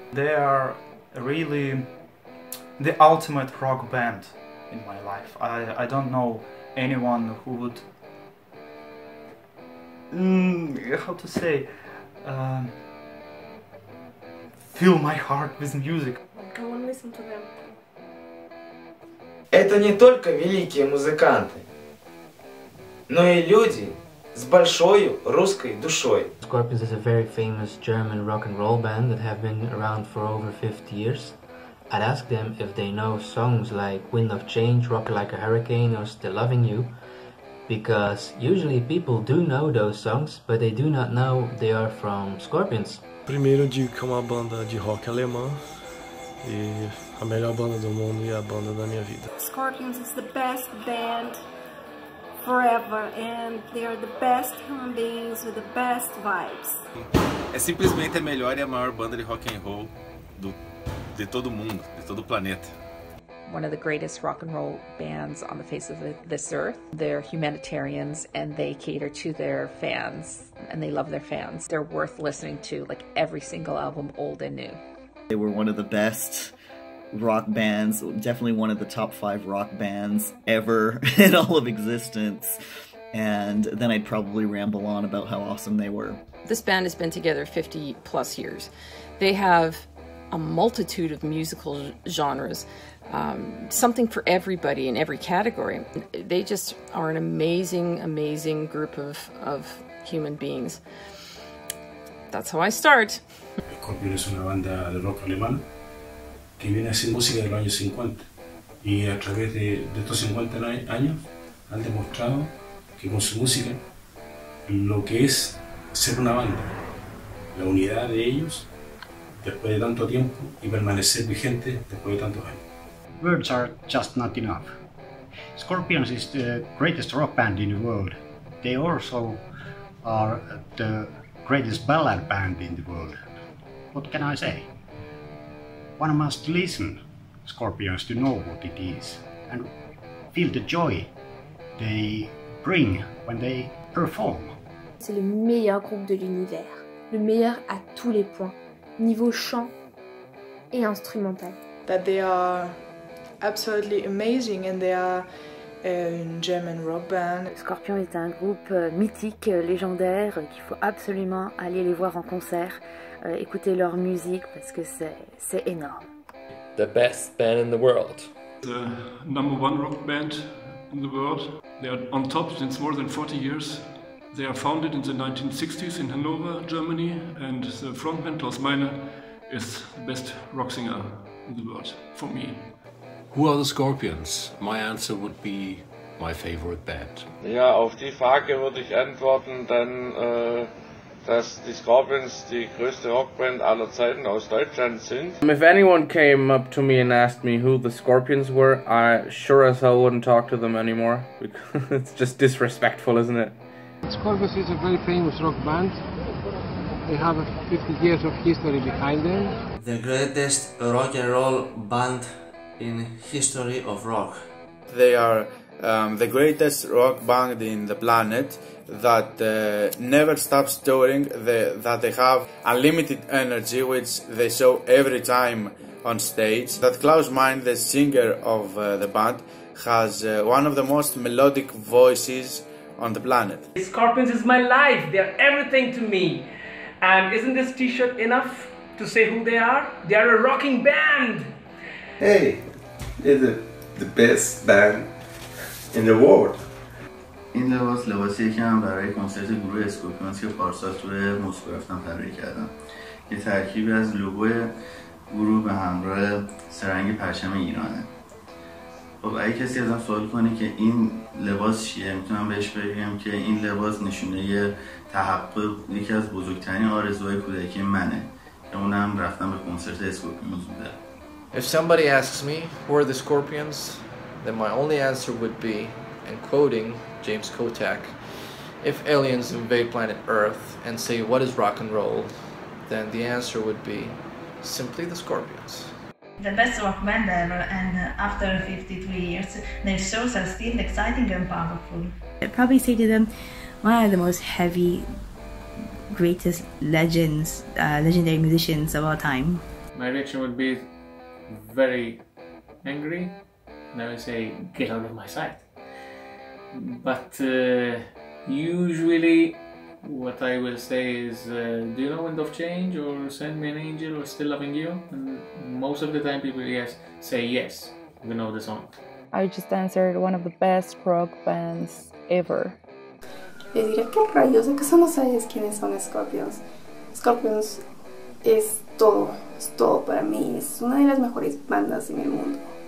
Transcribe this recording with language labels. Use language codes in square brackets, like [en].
[en] They are really the ultimate rock band in my life. I don't know anyone who would fill my heart with music. Go and listen to them. [ru] Это не только великие музыканты, но и люди с большой русской душой. [en] Scorpions is a very famous German rock and roll band that have been around for over 50 years. I'd ask them if they know songs like Wind of Change, Rock Like a Hurricane, or Still Loving You, because usually people do know those songs, but they do not know they are from Scorpions. [pt] Primeiro digo que é uma banda de rock alemã, e a melhor banda do mundo e a banda da minha vida. [en] Scorpions is the best band forever, and they are the best human beings with the best vibes. [pt] É simplesmente a melhor e a maior banda de rock and roll do de todo mundo, de todo o planeta. [en] One of the greatest rock and roll bands on the face of this earth. They're humanitarians and they cater to their fans and they love their fans. They're worth listening to, like every single album, old and new. They were one of the best rock bands, definitely one of the top five rock bands ever in all of existence. And then I'd probably ramble on about how awesome they were. This band has been together 50 plus years. They have a multitude of musical genres, something for everybody in every category. They just are an amazing, amazing group of human beings. That's how I start. [es] Scorpion is una banda de rock alemán que viene haciendo música de los años 50 y a través de estos 50 años han demostrado que con su música lo que es ser una banda, la unidad de ellos. Después de tanto tiempo y permanecer vigente después de tantos años. [en] Words are just not enough. Scorpions is the greatest rock band in the world. They also are the greatest ballad band in the world. What can I say? One must listen Scorpions to know what it is and feel the joy they bring when they perform. [fr] C'est le meilleur groupe de l'univers, le meilleur à tous les points. Niveau chant et instrumental. [en] That they are absolutely amazing and they are a German rock band. [fr] Scorpion est un groupe mythique, légendaire, qu'il faut absolument aller les voir en concert, écouter leur musique parce que c'est énorme. [en] The best band in the world. The number one rock band in the world. They are on top since more than 40 years. They are founded in the 1960s in Hannover, Germany, and the frontman Klaus Meine is the best rock singer in the world, for me. Who are the Scorpions? My answer would be my favorite band. [de] Ja, auf die Frage würde ich antworten, denn dass die Scorpions die größte Rockband aller Zeiten aus Deutschland sind. [en] If anyone came up to me and asked me who the Scorpions were, I sure as hell wouldn't talk to them anymore. It's just disrespectful, isn't it? Scorpions is a very famous rock band. They have 50 years of history behind them. The greatest rock and roll band in history of rock. They are the greatest rock band in the planet that never stops touring, that they have unlimited energy which they show every time on stage. That Klaus Meine, the singer of the band, has one of the most melodic voices on the planet. Scorpions is my life, they are everything to me. And isn't this t-shirt enough to say who they are? They are a rocking band! Hey, they're the best band in the world. [fa] این لباس لباسیه که من برای کنسرت گروه اسکورپیونز که پارسال توی مسکو رفتم طراحی کردم. یه ترکیبی از لوگوی گروه به همراه سرنگ پرچم ایرانه. خب اگه کسی ازم سوال کنه که این لباس چیه، میتونم بهش بگم که این لباس نشونه تحقق یکی از بزرگترین آرزوهای کودکی منه که اونم رفتم به کنسرت اسکورپیونز بوده. [en] If somebody asks me who are the Scorpions, then my only answer would be, and quoting James Kotak, if aliens invade planet Earth and say what is rock and roll, then the answer would be simply the Scorpions. The best rock band ever, and after 53 years, their shows are still exciting and powerful. I'd probably say to them, one of the most heavy, greatest legends, legendary musicians of all time. My reaction would be very angry, and I would say, get out of my sight. But usually what I will say is, do you know Wind of Change or Send Me an Angel or Still Loving You? And most of the time people say yes, we know the song. I just answered one of the best rock bands ever. [es] Le diré que rayos, acaso no sabes quiénes son Scorpions. Scorpions es todo para mí, es una de las mejores bandas en el mundo.